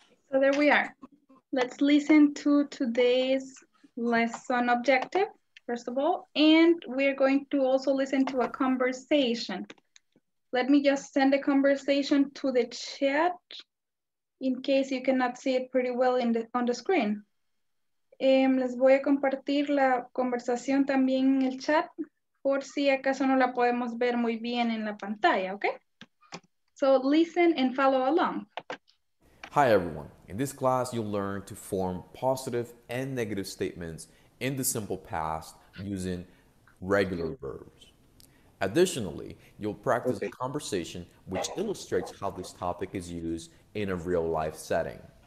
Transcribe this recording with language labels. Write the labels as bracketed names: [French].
[English] So there we are. Let's listen to today's lesson objective, first of all, and we're going to also listen to a conversation. Let me just send the conversation to the chat in case you cannot see it pretty well in the, on the screen. [Spanish] Les voy a compartir la conversación también en el chat por si acaso no la podemos ver muy bien en la pantalla, okay? [English] So listen and follow along. Hi, everyone. In this class, you'll learn to form positive and negative statements in the simple past using regular verbs. Additionally, you'll practice a conversation which illustrates how this topic is used in a real-life setting.